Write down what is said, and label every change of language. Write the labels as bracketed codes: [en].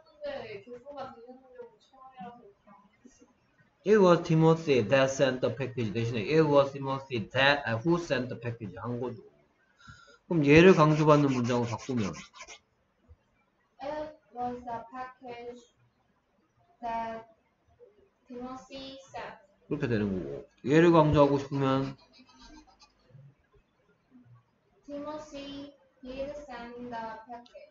[ko] 근데 교수가 대중적으로 처음이라서 [en] it was Timothy that sent the package [ko] 대신에 [en] it was Timothy that who sent the package [ko] 한 거죠. 그럼 얘를 강조받는 문장으로 바꾸면 [en] It was the package that Timothy sent. [ko] 그렇게 되는 거고 얘를 강조하고 싶으면 [en] Timothy did send the package.